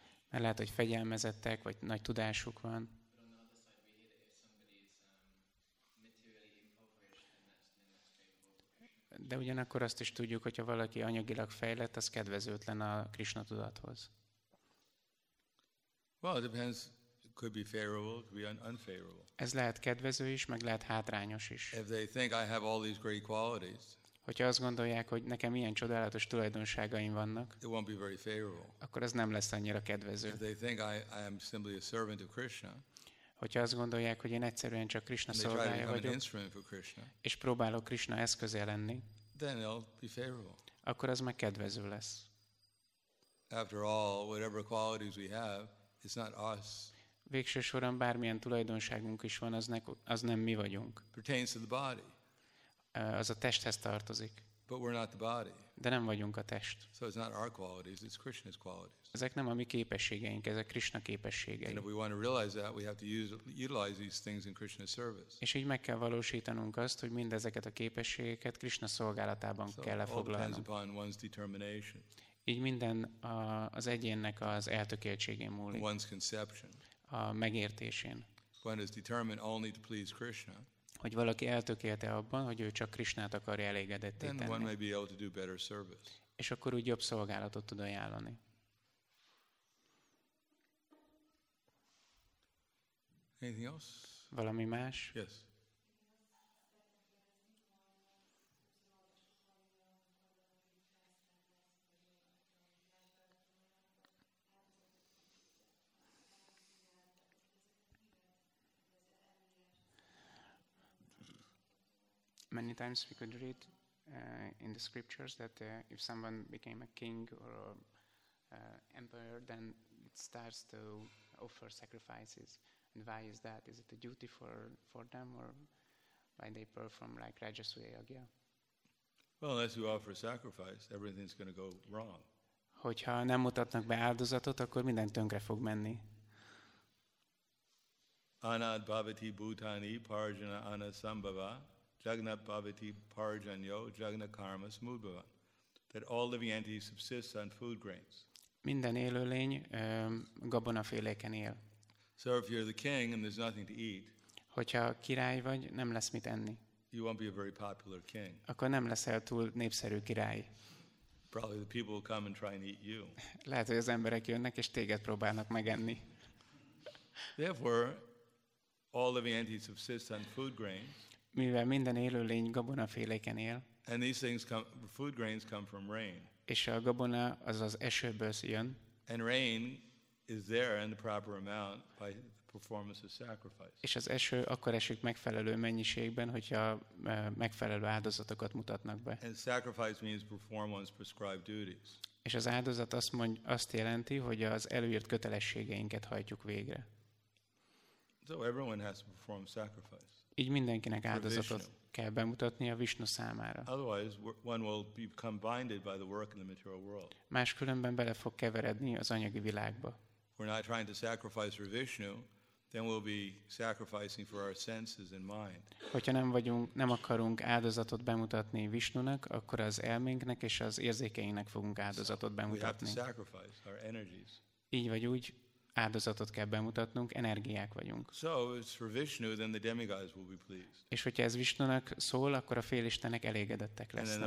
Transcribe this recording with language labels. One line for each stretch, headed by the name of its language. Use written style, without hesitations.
Hungarian: Mert lehet, hogy fegyelmezettek, vagy nagy tudásuk van. De ugyanakkor azt is tudjuk, hogyha valaki anyagilag fejlett, az kedvezőtlen a Krishna tudathoz.
English: Well, it depends. It could be favorable, could be unfavorable.
Hungarian: Ez lehet kedvező is, meg lehet hátrányos is.
English: If they think I have all these great qualities,
Hungarian: hogyha azt gondolják, hogy nekem ilyen csodálatos tulajdonságaim vannak,
English: it won't be very favorable.
Hungarian: Akkor ez nem lesz annyira kedvező.
English: If they think I am simply a servant of Krishna,
Hungarian: hogyha azt gondolják, hogy én egyszerűen csak Krishna szolgája vagyok, és próbálok Krishna eszköze lenni,
English: then it'll be favorable.
Hungarian: Akkor az meg kedvező lesz.
English: After all, whatever qualities we have, it's not us.
Hungarian: Végső soron bármilyen tulajdonságunk is van, az nem mi vagyunk.
English: Pertains to the body.
Hungarian: Az a testhez tartozik.
English: But we're not the body.
Hungarian: De nem vagyunk a test.
English: So it's not our qualities, it's Krishna's qualities.
Hungarian: Ezek nem a mi képességeink, ezek Krishna képességei.
English: And if we want to realize that, we have to utilize these things in Krishna's service.
Hungarian: És így meg kell valósítanunk azt, hogy mindezeket a képességeket Krishna szolgálatában kell lefoglalnunk.
English: All depends upon one's determination.
Hungarian: Így minden az egyénnek az eltökéltségén múlik.
English: One's conception.
Hungarian: A megértésén.
English: One is determined only to please Krishna.
Hungarian: Hogy valaki eltökélte abban, hogy ő csak Krishnát akarja elégedetté tenni.
English: Then one may be able to do better service.
Hungarian: És akkor úgy jobb szolgálatot tud ajánlani.
English: Anything else?
Hungarian: Valami más?
English: Yes. Many times we could read in the scriptures that if someone became a king or emperor, then it starts to offer sacrifices. And why is that? Is it a duty for them, or why they perform like Rajasuya Yagya? Well, unless you offer a sacrifice, everything's going to go wrong.
Hungarian: Hogyha nem mutatnak be áldozatot, akkor minden tönkre fog menni.
Sanskrit: Anad bhavati bhutani parjana anasambhava jagna bhavati parjanyo jagna karma smudbhava.
English: That all living entities subsist on food grains.
Hungarian: Minden élőlény gabonaféléken él.
English: So if you're the king and there's nothing to eat,
Hungarian: hogyha király vagy, nem lesz mit enni.
English: You won't be a very popular king.
Hungarian: Akkor nem leszel túl népszerű király.
English: Probably the people will come and try and eat you.
Hungarian: Lehet, hogy az emberek jönnek és téged próbálnak megenni.
English: Therefore, all living entities subsist on food grains.
Hungarian: Mivel minden élőlény gabonaféléken él.
English: And these things come, food grains come from rain.
Hungarian: És a gabona az az esőből jön.
English: And rain is there in the proper amount by the performance of sacrifice.
Hungarian: És az eső akkor esik megfelelő mennyiségben, hogyha megfelelő áldozatokat mutatnak be.
English: And sacrifice means perform one's prescribed duties.
Hungarian: És az áldozat azt jelenti, hogy az előírt kötelességeinket hajtjuk végre.
English: So everyone has to perform sacrifice.
Hungarian: Így mindenkinek áldozatot kell bemutatni a Vishnu számára.
English: Otherwise, one will be combined by the work in the material world.
Hungarian: Máskülönben bele fog keveredni az anyagi világba.
English: We're not trying to sacrifice for Vishnu, then we'll be sacrificing for our senses and mind.
Hungarian: Hogyha nem akarunk áldozatot bemutatni Vishnunak, akkor az elménknek és az érzékeinknek fogunk áldozatot bemutatni.
English: We have to sacrifice our energies.
Hungarian: Így vagy úgy áldozatot kell bemutatnunk, energiák vagyunk.
English: So it's for Vishnu, then the demigods will be pleased.
Hungarian: És hogyha ez Vishnunak szól, akkor a félistenek elégedettek lesznek.